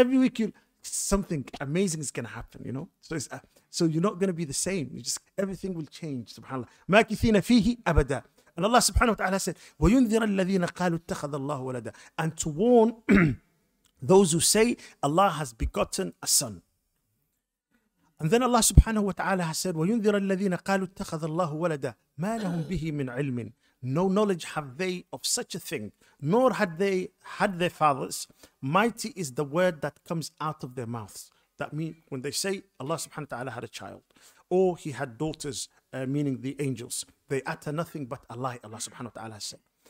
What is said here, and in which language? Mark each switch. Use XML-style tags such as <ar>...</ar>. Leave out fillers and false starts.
<en>Every week, something amazing is going to happen, you know? So you're not going to be the same. Everything will change, subhanAllah.</en> <ar>مَا كِثِينَ فِيهِ أَبَدًا.</ar> <en>And Allah subhanahu wa ta'ala said,</en> <ar>وَيُنذِرَ الَّذِينَ قَالُوا اتَّخَذَ اللَّهُ وَلَدًا.</ar> <en>And to warn those who say, Allah has begotten a son. And then Allah subhanahu wa ta'ala has said,</en> <ar>وَيُنذِرَ الَّذِينَ قَالُوا اتَّخَذَ اللَّهُ وَلَدًا مَا لَهُمْ بِهِ مِنْ عِلْمٍ.</ar> <en>No knowledge have they of such a thing, nor had they had their fathers. Mighty is the word that comes out of their mouths. That means when they say Allah subhanahu wa ta'ala had a child, or he had daughters, meaning the angels, they utter nothing but a lie, Allah subhanahu wa ta'ala has said.</en>